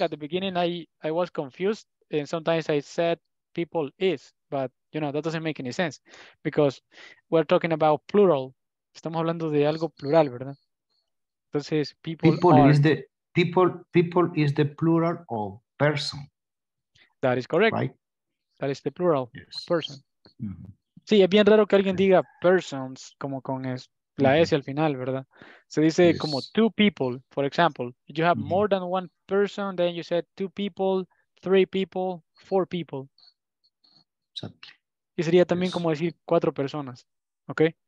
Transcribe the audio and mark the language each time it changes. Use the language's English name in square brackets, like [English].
[English] At the beginning, I was confused, and sometimes I said people is, but, you know, that doesn't make any sense, because we're talking about plural. [Spanish] Estamos hablando de algo plural, ¿verdad? Entonces, [English] people are. Is the, people is the plural of person. That is correct. Right? That is the plural, yes. Person. [Spanish] Sí, es bien raro que alguien diga persons, como con la S al final, ¿verdad? Se dice [English] yes. [Spanish] Como [English] two people, for example. If you have more than one person, then you said two people, three people, four people. Exactly. [Spanish] Y sería también yes. Como decir cuatro personas, ¿ok?